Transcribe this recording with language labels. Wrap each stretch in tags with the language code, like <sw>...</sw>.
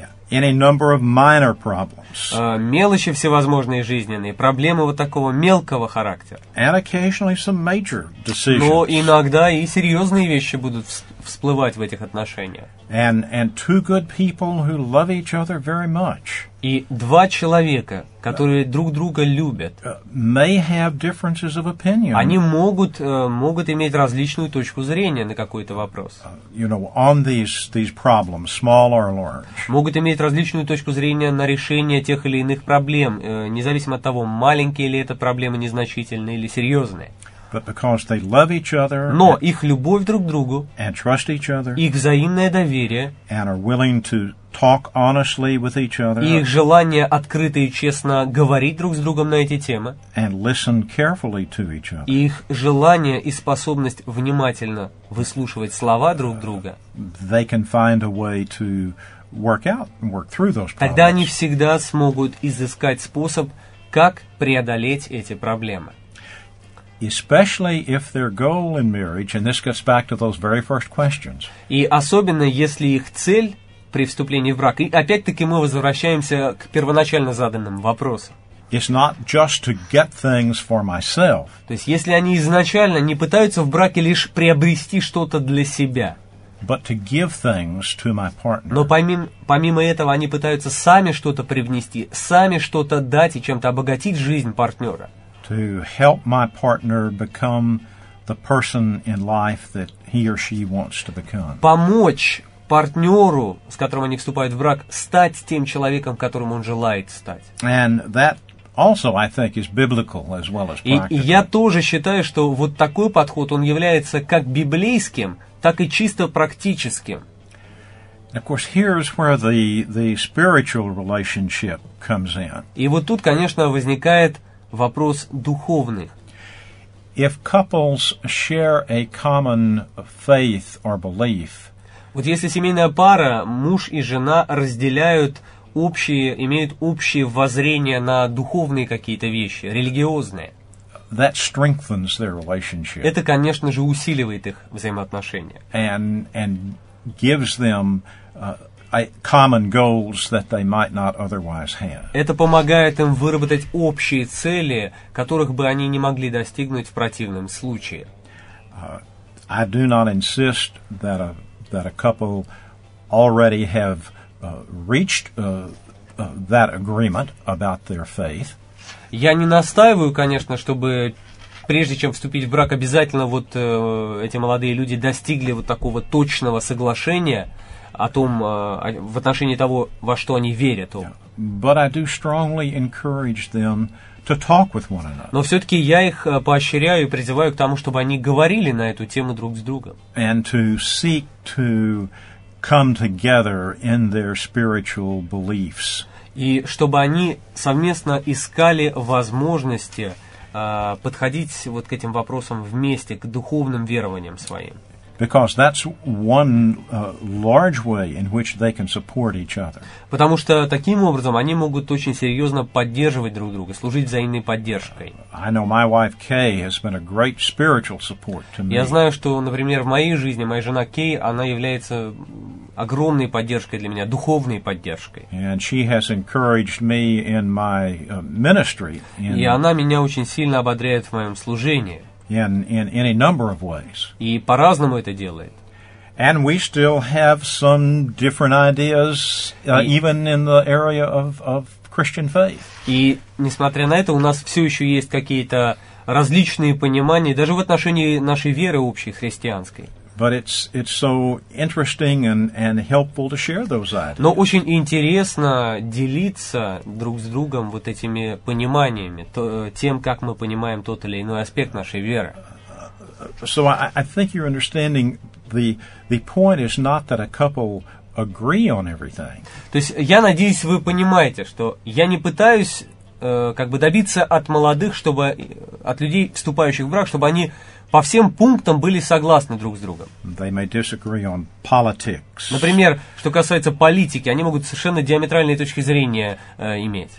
<en>In a number of minor problems.</en> <ru>Мелочи всевозможные жизненные, проблемы вот такого мелкого характера.</ru> <en>And occasionally some major decisions.</en> <ru>Но иногда и серьезные вещи будут всплывать в этих отношениях.</ru> <en>And two good people who love each other very much.</en> <ru>И два человека, которые друг друга любят,</ru> <en>may have differences of opinion.</en> <ru>Они могут иметь различную точку зрения на какой-то вопрос.</ru> <en>You know, on these problems, small or large.</en> <ru>Могут иметь различную точку зрения на решение тех или иных проблем, независимо от того, маленькие ли это проблемы, незначительные или серьезные.</ru> <en>But because they love each other,</en> <ru>но их любовь друг к другу,</ru> <en>and trust each other,</en> <ru>их взаимное доверие,</ru> <en>and are willing to talk honestly with each other,</en> <ru>и их желание открыто и честно говорить друг с другом на эти темы,</ru> <en>and listen carefully to each other,</en> <ru>и их желание и способность внимательно выслушивать слова друг друга,</ru> <en>they can find a way to work out and work through those problems.</en> <ru>Тогда они всегда смогут изыскать способ, как преодолеть эти проблемы.</ru> <en>Especially if their goal in marriage, and this gets back to those very first questions.</en> <ru>И особенно если их цель при вступлении в брак. И опять-таки мы возвращаемся к первоначально заданным вопросам.</ru> <en>It's not just to get things for myself.</en> <ru>То есть если они изначально не пытаются в браке лишь приобрести что-то для себя.</ru> <en>But to give things to my partner.</en> <ru>Но помимо этого они пытаются сами что-то привнести, сами что-то дать и чем-то обогатить жизнь партнера.</ru> <en>To help my partner become the person in life that he or she wants to become.</en> <ru>Помочь партнеру, с которым они вступают в брак, стать тем человеком, которым он желает стать.</ru> <en>And that also, I think, is biblical as well as practical.</en> <ru>И я тоже считаю, что вот такой подход, он является как библейским, так и чисто практическим.</ru> <en>Of course, here's where the spiritual relationship comes in.</en> <ru>И вот тут, конечно, возникает вопрос духовный.</ru> <en>If couples share a common faith or belief,</en> <ru>вот если семейная пара, муж и жена разделяют общие, имеют общие воззрения на духовные какие-то вещи, религиозные,</ru> <en>that strengthens their relationship.</en> <ru>Это, конечно же, усиливает их взаимоотношения.</ru> <en>And gives them common goals that they might not otherwise have.</en> <ru>Это помогает им выработать общие цели, которых бы они не могли достигнуть в противном случае.</ru> <en>I do not insist that a couple already have reached that agreement about their faith.</en> <ru>Я не настаиваю, конечно, чтобы прежде чем вступить в брак, обязательно вот эти молодые люди достигли вот такого точного соглашения о том, в отношении того, во что они верят.</ru> <en>But I do strongly encourage them to talk with one another.</en> <ru>Но все-таки я их поощряю и призываю к тому, чтобы они говорили на эту тему друг с другом.</ru> <en>And to seek to come together in their spiritual beliefs.</en> <ru>И чтобы они совместно искали возможности подходить вот к этим вопросам вместе, к духовным верованиям своим.</ru> <en>Because that's one large way in which they can support each other.</en> <ru>Потому что таким образом они могут очень серьезно поддерживать друг друга, служить взаимной поддержкой.</ru> <en>I know my wife Kay has been a great spiritual support to me.</en> <ru>Я знаю, что, например, в моей жизни моя жена Кей, она является огромной поддержкой для меня, духовной поддержкой.</ru> <en>And she has encouraged me in my ministry.</en> <ru>И она меня очень сильно ободряет в моем служении.</ru> <en>In any number of ways.</en> <ru>И по-разному это делает.</ru> <en>And we still have some different ideas, even in the area of Christian faith.</en> <ru>И несмотря на это, у нас все еще есть какие-то различные понимания, даже в отношении нашей веры общей христианской.</ru> <en>But it's so interesting and helpful to share those ideas.</en> <ru>Но очень интересно делиться друг с другом вот этими пониманиями, тем, как мы понимаем тот или иной аспект нашей веры.</ru> <en>So I think you're understanding the point is not that a couple agree on everything.</en> <ru>То есть я надеюсь, вы понимаете, что я не пытаюсь как бы добиться от молодых, чтобы от людей, вступающих в брак, чтобы они по всем пунктам были согласны друг с другом.</ru> <en>They may disagree on politics.</en> <ru>Например, что касается политики, они могут совершенно диаметральные точки зрения иметь.</ru>